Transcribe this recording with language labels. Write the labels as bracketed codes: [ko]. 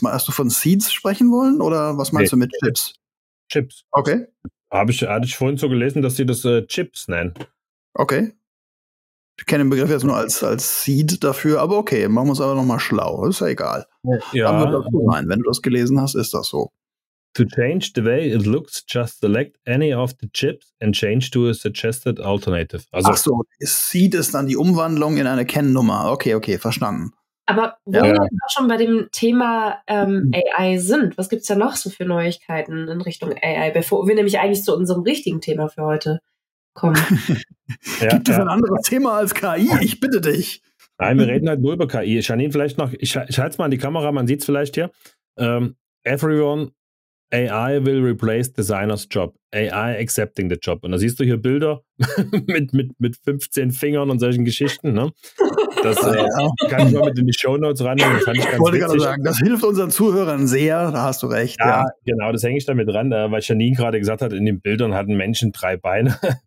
[de] Hast du von Seeds sprechen wollen oder was meinst du mit Chips? Chips. Okay. Hatte ich vorhin so gelesen, dass sie das Chips nennen. Okay. Ich kenne den Begriff jetzt nur als Seed dafür, aber okay, machen wir es aber nochmal schlau. Ist ja egal. Ja. Dann wird das so sein. Wenn du das gelesen hast, ist das so. [en] To change the way it looks, just select any of the chips and change to a suggested alternative. [de] Also, ach so, Seed ist dann die Umwandlung in eine Kennnummer. Okay, verstanden. Aber wo wir auch schon bei dem Thema AI sind, was gibt es da noch so für Neuigkeiten in Richtung AI, bevor wir nämlich eigentlich zu unserem richtigen Thema für heute kommen? Gibt es ein anderes Thema als KI? Ich bitte dich. Nein, wir reden halt nur über KI. Janine, vielleicht noch, ich halte es mal an die Kamera, man sieht es vielleicht hier. [en] Everyone, AI will replace designer's job. AI accepting the job. [de] Und da siehst du hier Bilder mit 15 Fingern und solchen Geschichten. Ne? Das kann ich mal mit in die Shownotes ran. Das fand ich ganz wollte witzig. Gerade sagen, das hilft unseren Zuhörern sehr. Da hast du recht. Ja, genau, das hänge ich damit ran, weil Janine gerade gesagt hat, in den Bildern hatten Menschen drei Beine.